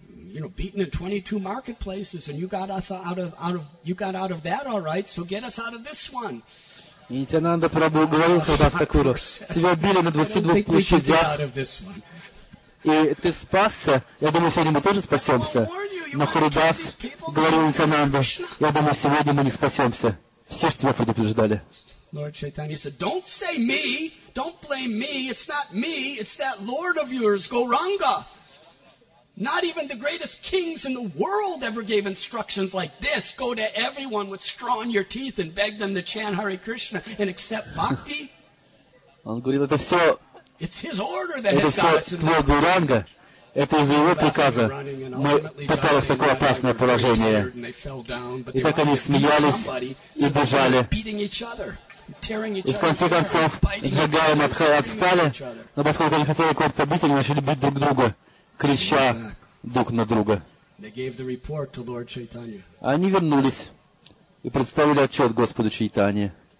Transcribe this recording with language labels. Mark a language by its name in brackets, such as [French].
[English] You know, beaten in 22 marketplaces, and you got us out of that, all right? So get us out of this one. [Russian] Нитьянанда Прабху говорил Харидас Такуру, тебя били на 22 площадях, и ты спасся. Я думаю, сегодня мы тоже спасемся. Но Харидас говорил Нитьянанда, я думаю, сегодня мы не спасемся. Все же тебя предупреждали. [English] Lord Chaitanya said, "Don't say me. Don't blame me. It's not me. It's that Lord of yours, Gauranga." Not even the greatest kings in the world ever gave instructions like this. Go to everyone with straw in your teeth and beg them to chant Hare Krishna and accept bhakti. [Russian] Он говорил, это все... [English] It's his order that has got us in the world. [Russian] Это из-за его приказа. Мы попали в такое опасное положение. И так они смеялись и бежали. И в конце концов, Джагая и Матхай отстали, но поскольку они хотели кого-то бить, они начали бить друг друга. Крича друг на друга. Они вернулись и представили отчет Господу Чайтани.